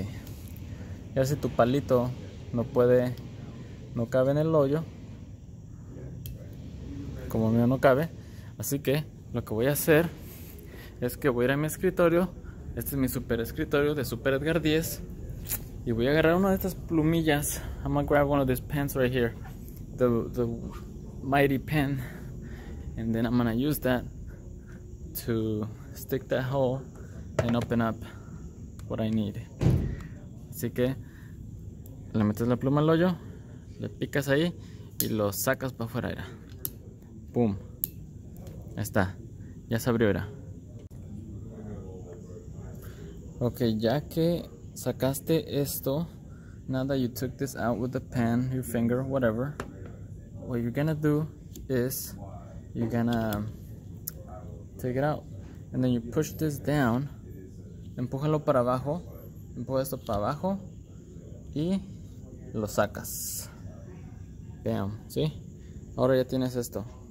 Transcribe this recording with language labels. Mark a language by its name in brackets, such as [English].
[Spanish] Y a ver si tu palito no cabe en el hoyo, como el mío no cabe, así que lo que voy a hacer es que voy a ir a mi escritorio. Este es mi super escritorio de Super Edgar 10. Y voy a agarrar una de estas plumillas. [English] I'm gonna grab one of these pens right here. The mighty pen. And then I'm gonna use that to stick that hole and open up what I need. [Spanish] Así que le metes la pluma al hoyo, le picas ahí y lo sacas para afuera. Era. Boom. Ahí está. Ya se abrió, era. [English] Ok, [Spanish] ya que sacaste esto, [English] now that you took this out with the pen, your finger, whatever, what you're gonna do is you're gonna take it out and then you push this down, [Spanish] empújalo para abajo, empuja esto para abajo y lo sacas. Bam, ¿sí? Ahora ya tienes esto.